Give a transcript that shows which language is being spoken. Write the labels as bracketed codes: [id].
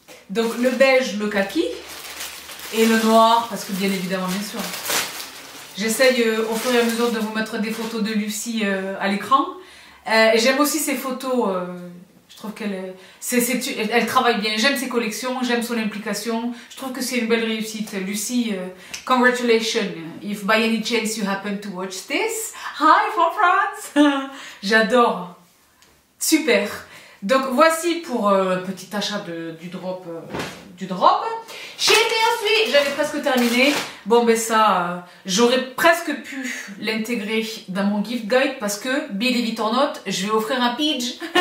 [fr] Donc le beige, le kaki. Et le noir, parce que bien évidemment, bien sûr. J'essaye au fur et à mesure de vous mettre des photos de Lucie à l'écran. J'aime aussi ses photos. Je trouve qu'elle elle travaille bien. J'aime ses collections, j'aime son implication. Je trouve que c'est une belle réussite. [en] Lucie, congratulations. If by any chance you happen to watch this, hi from France. [fr] J'adore. Super. Donc voici pour un petit achat du drop. J'étais ensuite, j'avais presque terminé. Bon ben ça, j'aurais presque pu l'intégrer dans mon gift guide parce que, [en] believe it or not, [fr] je vais offrir un pidge.